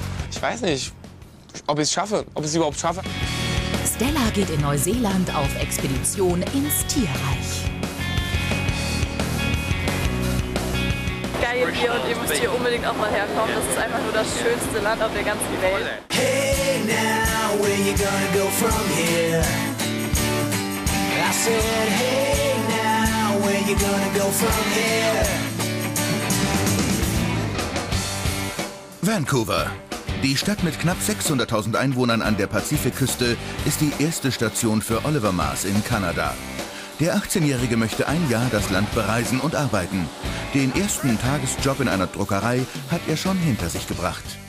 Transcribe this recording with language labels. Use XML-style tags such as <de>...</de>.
<de>Ich weiß nicht, ob ich es schaffe, ob ich es überhaupt schaffe. Stella geht in Neuseeland auf Expedition ins Tierreich. Geil hier und ihr müsst hier unbedingt auch mal herkommen. Das ist einfach nur das schönste Land auf der ganzen Welt.</de> <en>Hey now, where you gonna go from here? I said, hey now, where you gonna go from here? Vancouver.</en> <de>Die Stadt mit knapp 600.000 Einwohnern an der Pazifikküste ist die erste Station für Oliver Maas in Kanada. Der 18-Jährige möchte ein Jahr das Land bereisen und arbeiten. Den ersten Tagesjob in einer Druckerei hat er schon hinter sich gebracht.</de>